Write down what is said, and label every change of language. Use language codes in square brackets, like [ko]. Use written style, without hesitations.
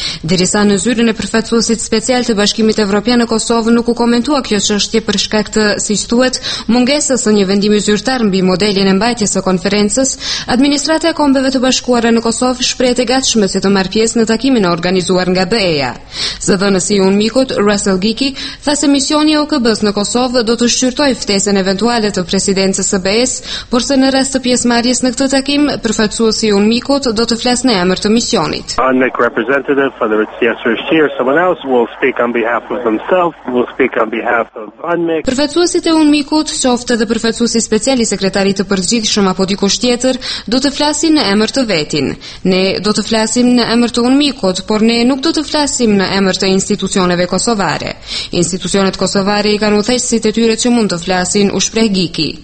[sq] Derisa në zyrën e përfaqësuesit special të Bashkimit Evropian në Kosovë nuk u komentua kjo çështje për shkak të, siç thuhet, mungesës së një vendimi zyrtar mbi modelin e mbajtjes së konferencës, administrata e Kombeve të Bashkuara në Kosovë shprehet e gatshme se të marrë pjesë në takimin në organizuar nga BE-ja. Zëdhënësi i Unmikut, Russell Giki, tha se misioni i OKB-s në Kosovë do të shqyrtojë ftesën eventuale të presidencës së BE-s, por se në rast të pjesëmarrjes në këtë takim, përfaqësuesi i Unmikut do të flasë në emër të misionit. [en] Unmik representative, whether it's yes or she or someone else, will speak on behalf of themselves, will speak on behalf of Unmik. [sq] Përfaqësuesit e Unmikut, qoftë edhe përfaqësuesi special i sekretarit të përgjithshëm apo dikush tjetër, do të flasin në emër të vetin. Ne do të flasim në emër të Unmikut, por ne nuk do të flasim në emër të institucioneve kosovare. Institucionet kosovare i kanë u thejtë si të tyre që mund të flasin, u shpreh Giki.